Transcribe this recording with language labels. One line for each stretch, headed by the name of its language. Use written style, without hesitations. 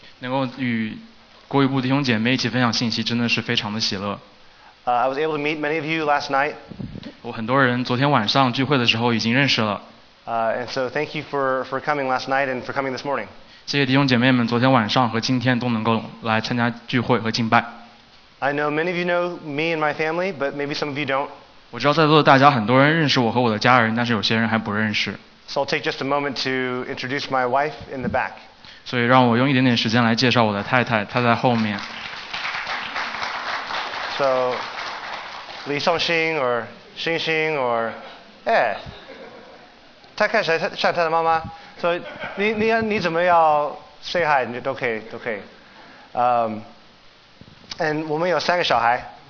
Chinese: 能够与国语部弟兄姐妹一起分享信息，真的是非常的喜乐。
English: I was able to meet many of you last night.
Chinese: 我很多人昨天晚上聚会的时候已经认识了。
English: And so thank you for coming last night and for coming this morning.
Chinese: 谢谢弟兄姐妹们昨天晚上和今天都能够来参加聚会和敬拜。
English: I know many of you know me and my family, but maybe some of you don't.
Chinese: 我知道在座的大家很多人认识我和我的家人，但是有些人还不认识。
English: So I'll take just a moment to introduce my wife in the back.
Chinese: 所以让我用一点点时间来介绍我的太太，她在后面。 So, Li Songxing or Xingxing or, 哎，她看起来像她的妈妈。所以你怎么要
English: say hi
Chinese: 你都可以都可以。 And 我们有三个小孩。